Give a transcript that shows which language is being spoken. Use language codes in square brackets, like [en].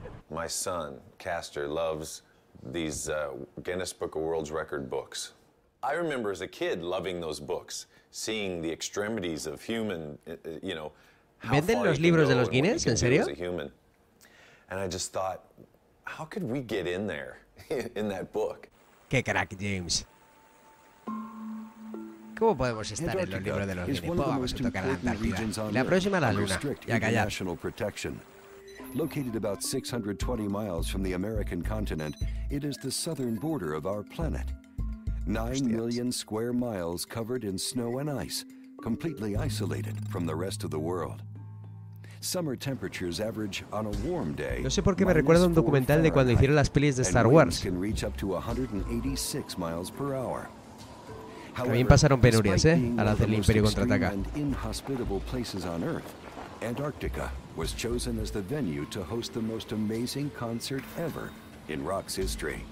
[en] My son, Caster, loves these Guinness Book of World Record books. I remember as a kid loving those books, seeing the extremities of human, you know. [es] ¿Venden los libros de los Guinness? ¿En serio? [en] And I just thought, how could we get in there, in that book? [es] ¡Qué crack, James! ¿Cómo podemos estar en los libros de los Guinness? Vamos a tocar la Antártida. La próxima a la Luna. Ya callad. [en] Located about 620 miles from the American continent, it is the southern border of our planet. 9 million square miles covered in snow and ice, completely isolated from the rest of the world. Summer temperatures average on a warm day. [es] No sé por qué me recuerda un documental de cuando hicieron las pelis de Star Wars. [en] Can reach up to 186 miles per hour. [es] También pasaron penurias, al hacer el Imperio contraataca. [en] And inhospitable places on Earth, Antarctica was chosen as the venue to host the most amazing concert ever in rock's history.